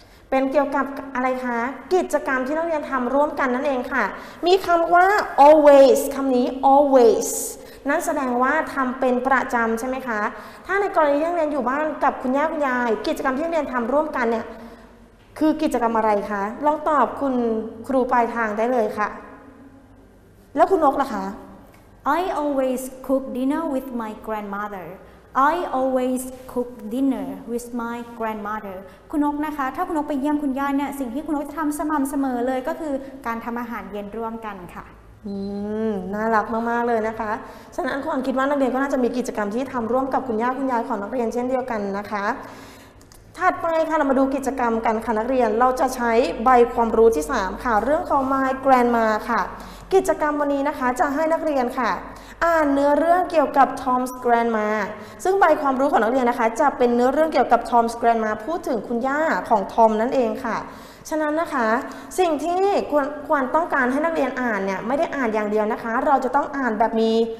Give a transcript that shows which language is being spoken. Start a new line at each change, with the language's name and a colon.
Thai: เป็นเกี่ยวกับอะไรคะกิจกรรมที่นักเรียนทำร่วมกันนั่นเองค่ะมีคำว่า always คำนี้ always นั่นแสดงว่าทำเป็นประจำใช่ไหมคะถ้าในกรณีที่นักเรียนอยู่บ้านกับคุณย่าคุณยายกิจกรรมที่นักเรียนทำร่วมกันเนี่ยคือกิจกรรมอะไรคะลองตอบคุณครูปลายทางได้เลยค่ะแล้วคุณนกล่ะคะ
English: I always cook dinner with my grandmother. I always cook dinner with my grandmother.
Thai: คุณนกนะคะถ้าคุณนกไปเยี่ยมคุณย่าเนี่ยสิ่งที่คุณนกจะทำสม่ำเสมอเลยก็คือการทำอาหารเย็นร่วมกันค่ะ น่ารักมากๆเลยนะคะฉะนั้นคุณคิดว่านักเรียนก็น่าจะมีกิจกรรมที่ทำร่วมกับคุณย่าคุณยายของนักเรียนเช่นเดียวกันนะคะ ถัดไปค่ะเรามาดูกิจกรรมกันค่ะนักเรียนเราจะใช้ใบความรู้ที่3ค่ะเรื่องของ my grandma ค่ะกิจกรรมวันนี้นะคะจะให้นักเรียนค่ะอ่านเนื้อเรื่องเกี่ยวกับ Tom's Grandma ซึ่งใบความรู้ของนักเรียนนะคะจะเป็นเนื้อเรื่องเกี่ยวกับ Tom's Grandma พูดถึงคุณย่าของทอมนั่นเองค่ะฉะนั้นนะคะสิ่งที่ควรต้องการให้นักเรียนอ่านเนี่ยไม่ได้อ่านอย่างเดียวนะคะเราจะต้องอ่านแบบมี